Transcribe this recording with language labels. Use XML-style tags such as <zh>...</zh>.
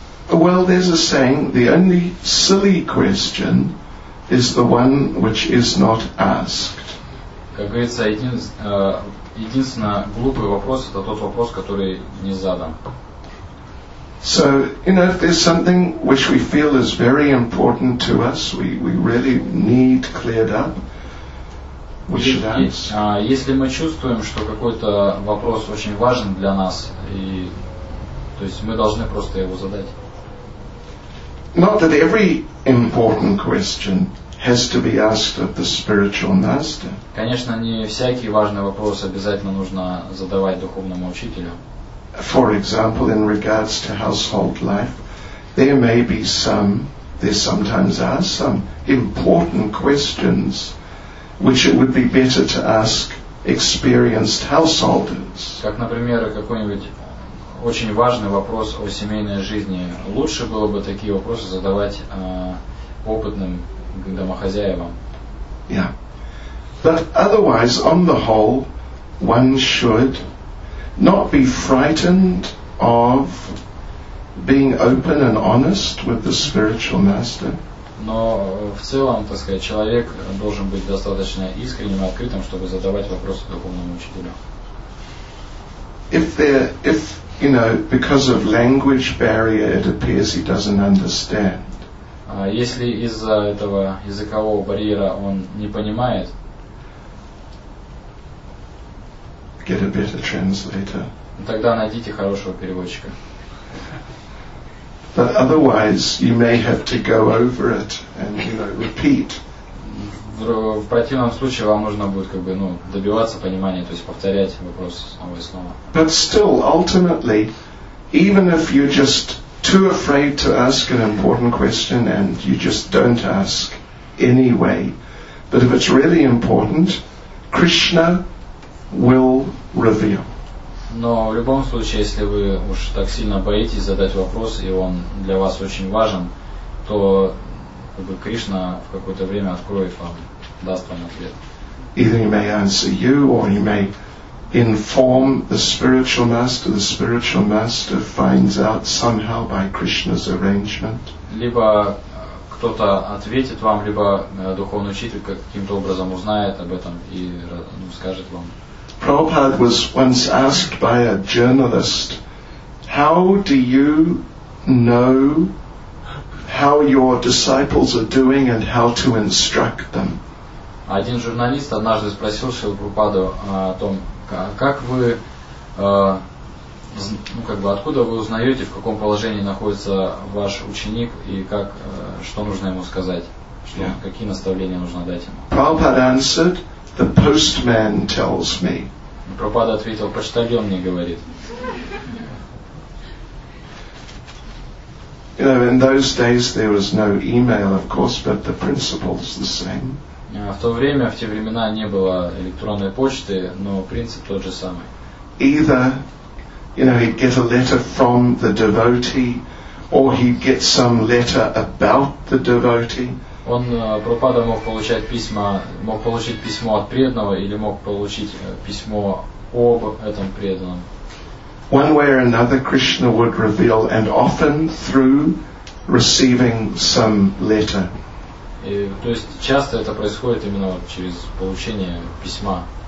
<en>Well, there's a saying, the only silly question is the one which is not asked.</en> <ru>Как говорится, единственно глупый вопрос, это тот вопрос, который не задан.</ru> <en>So, you know, if there's something which we feel is very important to us, we really need cleared up, We should ask.</en> <ru>Если мы чувствуем, что какой-то вопрос очень важен для нас, и, то есть мы должны просто его задать.</ru> <en>Not that every important question has to be asked of the spiritual master.</en> <ru>Конечно, не всякий важный вопрос обязательно нужно задавать духовному учителю.</ru> <en>For example, in regards to household life, there may be some, there sometimes are some important questions which it would be better to ask experienced householders.</en> <ru>Как, например, какой-нибудь очень важный вопрос о семейной жизни, лучше было бы такие вопросы задавать опытным домохозяевам.</ru> <en>Yeah. But otherwise, on the whole, one should not be frightened of being open and honest with the spiritual master.</en> <ru>Но в целом, так сказать, человек должен быть достаточно искренним и открытым, чтобы задавать вопросы духовному учителю.</ru> <en>If you know, because of language barrier, it appears he doesn't understand.</en> <ru>Если из-за этого языкового барьера он не понимает,</ru> <en>get a better translator.</en> <ru>Тогда найдите хорошего переводчика.</ru> <en>But otherwise, you may have to go over it and, you know, repeat.</en> <ru>В противном случае вам нужно будет как бы, ну, добиваться понимания, то есть повторять вопрос снова и снова.</ru> <en>But still, ultimately, even if you're just too afraid to ask an important question and you just don't ask anyway, but if it's really important, Krishna will reveal.</en> <ru>Но в любом случае, если вы уж так сильно боитесь задать вопрос, и он для вас очень важен, то как бы Кришна в какое-то время откроет вам, даст вам ответ.</ru> <en>Either he may answer you, or he may inform the spiritual master. The spiritual master finds out somehow by Krishna's arrangement.</en> <ru>Либо кто-то ответит вам, либо духовный учитель каким-то образом узнает об этом и, ну, скажет вам.</ru> <en>Prabhupada was once asked by a journalist, how do you know how your disciples are doing and how to instruct them?</en> <ru>Один журналист однажды спросил Шрилу Прабхупаду о том, как вы, ну, как бы, откуда вы узнаете, в каком положении находится ваш ученик и как, что нужно ему сказать, что, yeah. Какие наставления нужно дать ему.</ru> <en>Prabhupada answered, the postman tells me.</en> <ru>Прабхупада ответил, почтальон мне говорит.</ru> <en>You know, in those days there was no email, of course, but the principle's the same.</en> <ru>В то время, в те времена не было электронной почты, но принцип тот же самый.</ru> <en>Either, you know, he'd get a letter from the devotee, or he'd get some letter about the devotee.</en> <ru>Он, Прабхупада, мог получать письма, мог получить письмо от преданного или мог получить письмо об этом преданном.</ru> <en>One way or another, Krishna would reveal, and often through receiving some letter.</en> <ru>И, то есть часто это происходит именно через получение письма.</ru>